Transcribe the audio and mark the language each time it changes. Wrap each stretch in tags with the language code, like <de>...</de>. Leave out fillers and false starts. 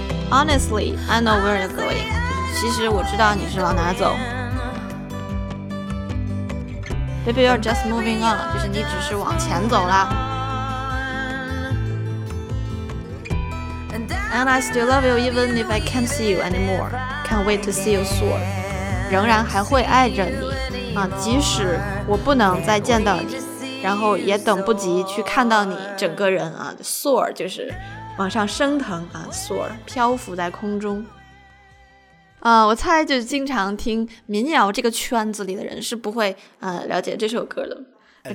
<en>Honestly, I know where you're going.</en> <zh>其实我知道你是往哪走。</zh> <en>Baby, you're just moving on.</en> <zh>就是你只是往前走了。</zh> <en>And I still love you even if I can't see you anymore. Can't wait to see you soon.</en> <zh>仍然还会爱着你啊，即使我不能再见到你，然后也等不及去看到你整个人啊 ，soar 就是往上升腾啊 ，soar 漂浮在空中。我猜就是经常听民谣这个圈子里的人是不会了解这首歌的。</zh>